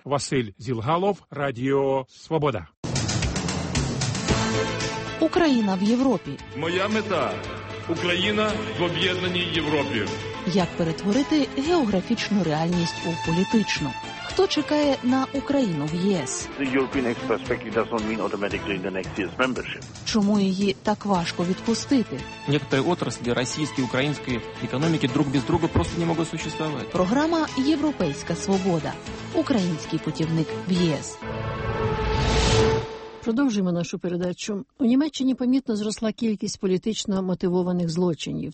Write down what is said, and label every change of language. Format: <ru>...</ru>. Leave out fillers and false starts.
<uk>Василь Зілгалов, Радіо Свобода. Україна в Європі. Моя мета – Україна в об'єднаній Європі. Як перетворити географічну реальність у політичну? Хто чекає на Україну в ЄС?</uk> <en>The European Next Perspective doesn't mean automatically the next year's membership.</en> <uk>Чому її так важко відпустити?</uk> <ru>Некоторі отраслі російської, української економіки друг без друга просто не можуть существувати.</ru> <uk>Програма «Європейська свобода». Український путівник в ЄС. Продовжуємо нашу передачу. У Німеччині помітно зросла кількість політично мотивованих злочинів.</uk>